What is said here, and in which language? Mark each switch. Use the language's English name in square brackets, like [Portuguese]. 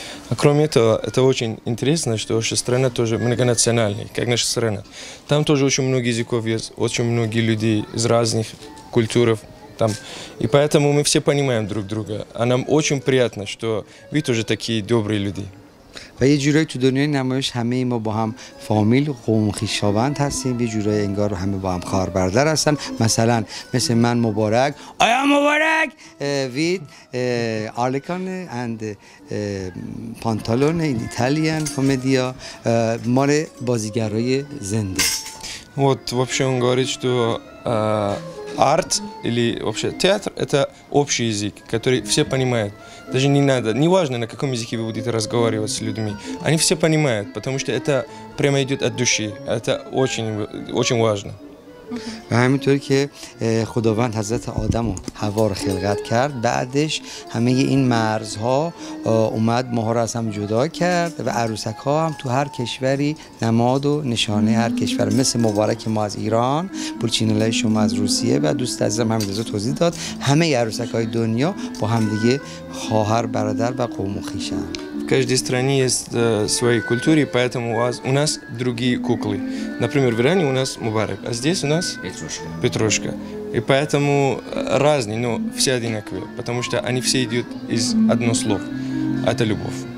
[Russian] А кроме этого, это очень интересно, что наша страна тоже многонациональная, как наша страна. Там тоже очень много языков есть, очень много людей из разных культур. И поэтому мы все понимаем друг друга. А нам очень приятно, что вы тоже такие добрые люди. [Persian] و یه جورایی تو دنیای نمایش همه ما با هم فامیل قوم خویشاوند هستیم یه جورایی انگار رو همه با هم خواهر برادر هستن مثلا مثل من مبارک آیا مبارک وید آرلیکان اند پانتالون ایتالیان کمدیا مال بازیگرای زنده [Russian] вот вообще он говорит что арт или вообще театр это общий язык который все понимают. Даже не надо, не важно, на каком языке вы будете разговаривать с людьми. Они все понимают, потому что это прямо идет от души. Это очень, очень важно. [Persian] و همینطور که خداوند حضرت آدم و هوا رو خلقت کرد بعدش همه این مرزها اومد ماها رو از هم جدا کرد و عروسک ها هم تو هر کشوری نماد و نشانه هر کشور مثل مبارک ما از ایران پولچینلای شما از روسیه و دوست عزیزم همین رضا توضیح داد همه عروسک های دنیا با همدیگه خواهر برادر و قوم و خویشن [Russian] В каждой стране есть свои культуры, поэтому у нас другие куклы. Например, в Иране у нас Мубарак, а здесь у нас Петрушка. И поэтому разные, но все одинаковые, потому что они все идут из одного слова. Это любовь.